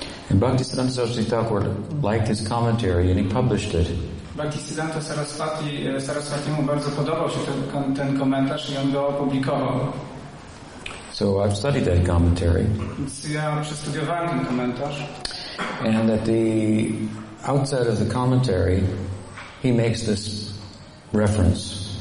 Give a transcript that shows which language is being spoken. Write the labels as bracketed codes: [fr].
[en] Bhaktisiddhanta Saraswati Thakur liked his commentary and he published it. [pl] Bhaktisiddhanta Saraswati mu bardzo podobał się ten komentarz i on go opublikował. [en] So I've studied that commentary. [pl] Ja przestudiowałem ten komentarz. [en] And at the outset of the commentary he makes this reference.